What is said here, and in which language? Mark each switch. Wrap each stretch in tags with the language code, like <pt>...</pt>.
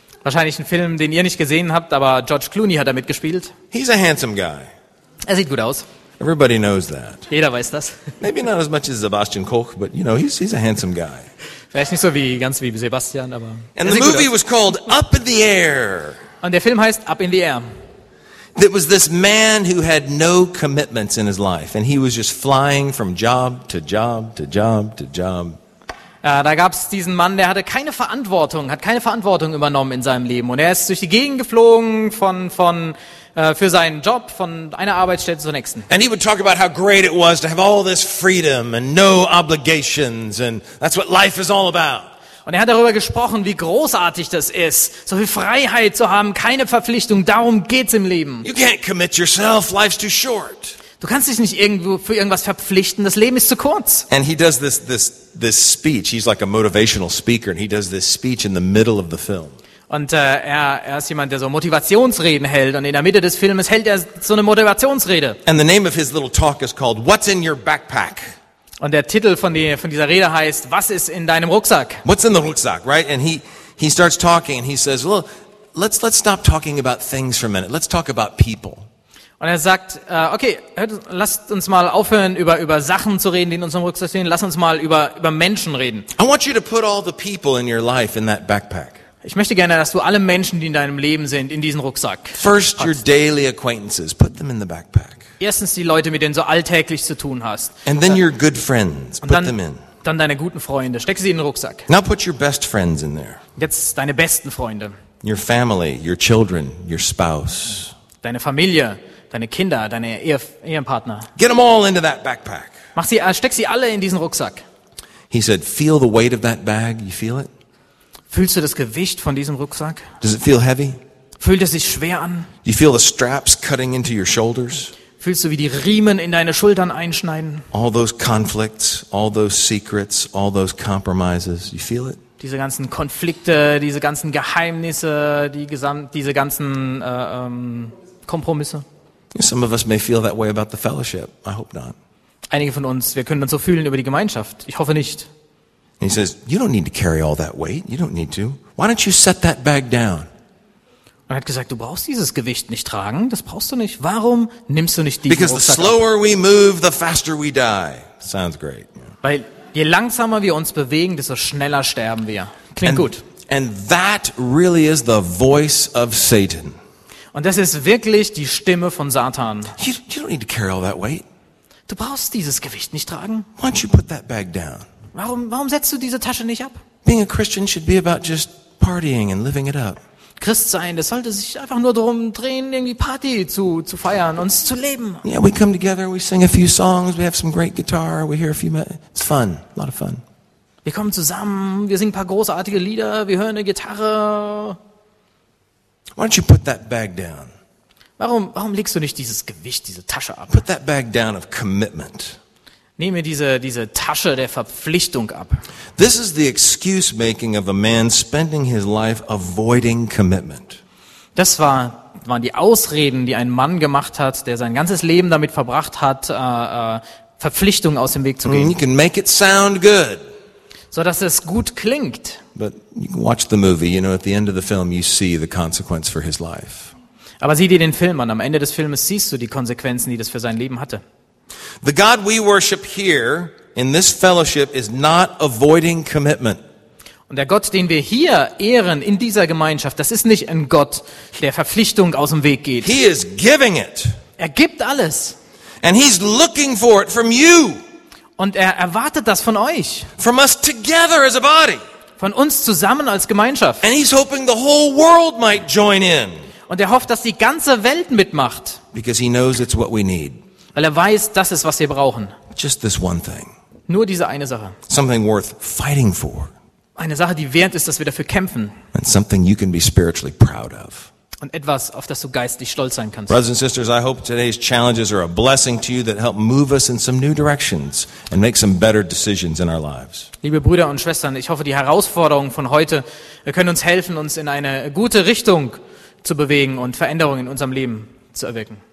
<de>Wahrscheinlich ein Film, den ihr nicht gesehen habt, aber George Clooney hat da mitgespielt.</de> <en>He's a handsome guy.</en> <de>Er sieht gut aus.</de> <en>Everybody knows that.</en> <de>Jeder weiß das.</de> <en>Maybe not as much as Sebastian Koch, but you know, he's a handsome guy.</en> <de>Vielleicht nicht so wie ganz wie Sebastian, aber.</de> <en>And the movie was called Up in the Air.</en> <de>Und der Film heißt Up in the Air.</de> <en>It was this man who had no commitments in his life, and he was just flying from job to job to job to job.</en> <de>Da gab's diesen Mann, der hatte keine Verantwortung, hat keine Verantwortung übernommen in seinem Leben. Und er ist durch die Gegend geflogen für seinen Job, von einer Arbeitsstätte zur nächsten.</de> <en>And he would talk about how great it was to have all this freedom and no obligations, and that's what life is all about.</en> <de>Und er hat darüber gesprochen, wie großartig das ist, so viel Freiheit zu haben, keine Verpflichtung, darum geht's im Leben.</de> <en>You can't commit yourself, life's too short.</en> <de>Du kannst dich nicht irgendwo für irgendwas verpflichten, das Leben ist zu kurz.</de> <en>And he does this speech. He's like a motivational speaker and he does this speech in the middle of the film.</en> <de>Und er ist jemand, der so Motivationsreden hält und in der Mitte des Films hält er so eine Motivationsrede.</de> <en>And the name of his little talk is called What's in your backpack?</en> <de>Und der Titel von dieser Rede heißt Was ist in deinem Rucksack?</de> <en>What's in the rucksack, right? And he starts talking and he says, "Well, let's stop talking about things for a minute. Let's talk about people."</en> <de>Und er sagt, okay, lasst uns mal aufhören, über Sachen zu reden, die in unserem Rucksack stehen. Lasst uns mal über Menschen reden.</de> <en>I want you to put all the people in your life in that backpack.</en> <de>Ich möchte gerne, dass du alle Menschen, die in deinem Leben sind, in diesen Rucksack packst.</de> <en>First your daily acquaintances, put them in the backpack.</en> <de>Erstens die Leute, mit denen du alltäglich zu tun hast.</de> <en>And then your good friends, put them in.</en> <de>Dann deine guten Freunde, steck sie in den Rucksack.</de> <en>Now put your best friends in there.</en> <de>Jetzt deine besten Freunde.</de> <en>Your family, your children, your spouse.</en> <de>Deine Familie, deine Kinder, deine Ehepartner.</de> <en>Get them all into that backpack.</en> <de>Mach sie, steck sie alle in diesen Rucksack.</de> <en>He said, feel the weight of that bag. You feel it?</en> <de>Fühlst du das Gewicht von diesem Rucksack?</de> <en>Does it feel heavy?</en> <de>Fühlt es sich schwer an?</de> <en>Do you feel the straps cutting into your shoulders?</en> <de>Fühlst du, wie die Riemen in deine Schultern einschneiden?</de> <en>All those conflicts, all those secrets, all those compromises. You feel it?</en> <de>Diese ganzen Konflikte, diese ganzen Geheimnisse, diese ganzen Kompromisse.</de> <en>Some of us may feel that way about the fellowship. I hope not.</en> <de>Einige von uns, wir können uns so fühlen über die Gemeinschaft. Ich hoffe nicht.</de> <en>And he says, you don't need to carry all that weight. You don't need to. Why don't you set that bag down?</en> <de>Und er hat gesagt, du brauchst dieses Gewicht nicht tragen. Das brauchst du nicht. Warum nimmst du nicht diesen</de> <en>Rucksack? Because the slower we move, the faster we die. Sounds great. Yeah.</en> <de>Weil je langsamer wir uns bewegen, desto schneller sterben wir. Klingt gut.</de> <en>And that really is the voice of Satan.</en> <de>Und das ist wirklich die Stimme von Satan.</de> <en>You don't need to carry all that weight.</en> <de>Du brauchst dieses Gewicht nicht tragen.</de> <en>Why don't you put that bag down?</en> <de>Warum setzt du diese Tasche nicht ab?</de> <en>Being a Christian should be about just partying and living it up.</en> <de>Christ sein, das sollte sich einfach nur darum drehen, irgendwie Party zu feiern, uns zu leben.</de> <en>Yeah, we come together, we sing a few songs, we have some great guitar, we hear a few. It's fun, a lot of fun.</en> <de>Wir kommen zusammen, wir singen ein paar großartige Lieder, wir hören eine Gitarre.</de> <en>Why don't you put that bag down?</en> <de>Warum legst du nicht dieses Gewicht, diese Tasche ab?</de> <en>Put that bag down of commitment.</en> <de>Nehme diese Tasche der Verpflichtung ab.</de> <en>This is the excuse making of a man spending his life avoiding commitment.</en> <de>Das waren die Ausreden, die ein Mann gemacht hat, der sein ganzes Leben damit verbracht hat, Verpflichtung aus dem Weg zu gehen.</de> <en>You can make it sound good.</en> <de>So dass es gut klingt.</de> <en>But you can watch the movie, you know, at the end of the film you see the consequence for his life.</en> <de>Aber sieh dir den Film an, am Ende des Films siehst du die Konsequenzen, die das für sein Leben hatte.</de> <en>The God we worship here in this fellowship is not avoiding commitment.</en> <de>Und der Gott, den wir hier ehren in dieser Gemeinschaft, das ist nicht ein Gott, der Verpflichtung aus dem Weg geht.</de> <en>He is giving it.</en> <de>Er gibt alles.</de> <en>And he's looking for it from you.</en> <de>Und er erwartet das von euch.</de> <en>From us together as a body.</en> <de>Von uns zusammen als Gemeinschaft.</de> <en>And he's hoping the whole world might join in.</en> <de>Und er hofft, dass die ganze Welt mitmacht.</de> <en>Because he knows it's what we need.</en> <de>Weil er weiß, das ist, was wir brauchen.</de> <en>Just this one thing.</en> <de>Nur diese eine Sache.</de> <en>Something worth fighting for.</en> <de>Eine Sache, die wert ist, dass wir dafür kämpfen.</de> <en>And something you can be spiritually proud of.</en> <de>Und etwas, auf das du geistig stolz sein kannst.</de> <en>Brothers and sisters, I hope today's challenges are a blessing to you that help move us in some new directions and make some better decisions in our lives.</en> <de>Liebe Brüder und Schwestern, ich hoffe, die Herausforderungen von heute können uns helfen, uns in eine gute Richtung zu bewegen und Veränderungen in unserem Leben zu erwirken.</de>